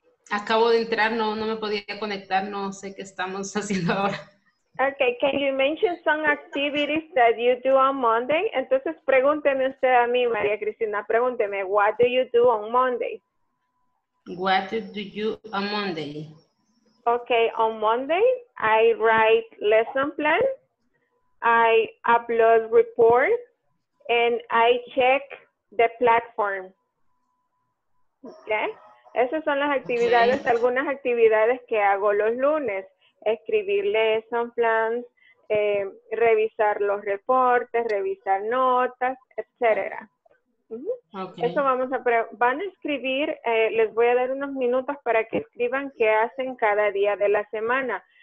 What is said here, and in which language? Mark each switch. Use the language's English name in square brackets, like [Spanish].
[Spanish] Acabo de entrar, no me podía conectar, no sé qué estamos haciendo ahora. [English] Okay, can you mention some activities that you do on Monday? [Spanish] Entonces pregúnteme usted a mí, Maria Cristina, pregúnteme, [English] what do you do on Monday? What do you do on Monday? Okay, on Monday, I write lesson plan. I upload report and I check the platform. Okay. [Spanish] Esas son las actividades, algunas actividades que hago los lunes. Escribir [English] lesson plans, [Spanish] revisar los reportes, revisar notas, etc. Okay. Eso vamos a van a escribir, les voy a dar unos minutos para que escriban qué hacen cada día de la semana.